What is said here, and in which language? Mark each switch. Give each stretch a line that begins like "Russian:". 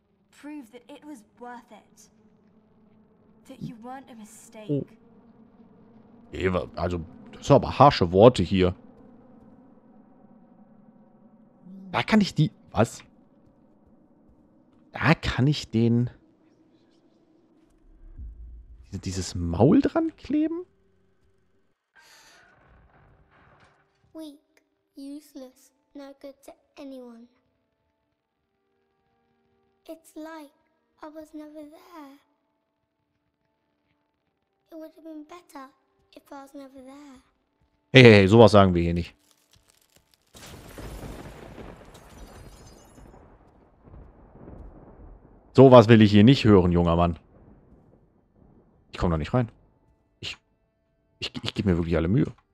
English: Prove that it was worth it. That you weren't a mistake. Oh.
German: Eva, also, das sind aber harsche Worte hier. Da kann ich die... Was? Da kann ich den... Dieses Maul dran kleben?
English: Weak, useless, no good to anyone. It's like I was never there. It would have been better if I was never there.
German: Hey, hey, hey, sowas sagen wir hier nicht. Sowas will ich hier nicht hören, junger Mann. Ich komme da nicht rein. Ich gebe mir wirklich alle Mühe.